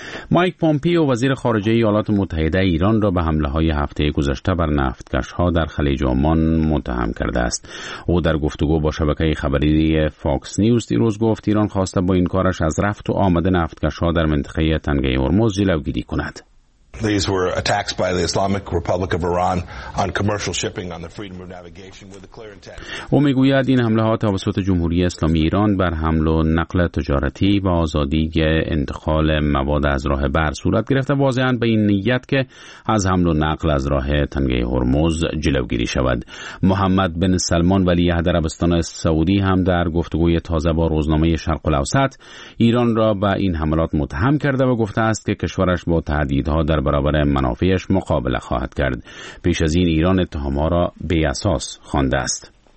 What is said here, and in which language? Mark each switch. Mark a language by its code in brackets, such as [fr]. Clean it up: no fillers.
[fa] مایک پومپیو، وزیر خارجه ایالات متحده ایران، را به حمله‌های هفته گذشته بر نفتکش‌ها در خلیج عمان متهم کرده است. او در گفتگو با شبکه خبری فاکس نیوز دیروز گفت ایران خواسته با این کارش از رفت و آمد نفتکش‌ها در منطقه تنگه هرمز جلوگیری کند. [en] These were attacks by the Islamic Republic of Iran on commercial shipping on the freedom of navigation with a clear intent. [fa] او میگوید این حمله‌ها توسط جمهوری اسلامی ایران بر حمل و نقل تجارتی و آزادی انتقال مواد از راه بر صورت گرفته، واضحاً به این نیت که از حمل و نقل از راه تنگه هرمز جلوگیری شود. محمد بن سلمان، ولیعهد عربستان سعودی، هم در گفتگوی تازه با روزنامه شرق الاوسط ایران را به این حملات متهم کرده و گفته است که کشورش با تهدیدها در برابر منافعش مقابله خواهد کرد. پیش از این ایران اتهام‌ها را بی اساس خوانده است.